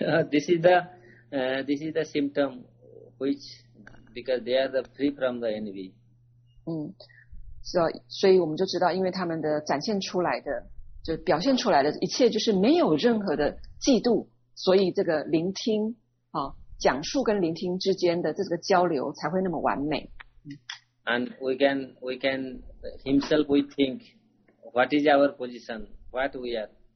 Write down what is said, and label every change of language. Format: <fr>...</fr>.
<en>This is the symptom which because they are the free from the envy.</en> <zh>嗯，所以我们就知道，因为他们的展现出来的，就表现出来的一切，就是没有任何的嫉妒，所以这个聆听啊，讲述跟聆听之间的这个交流才会那么完美。</zh> <en>And we can himself we think what is our position, what we are.</en>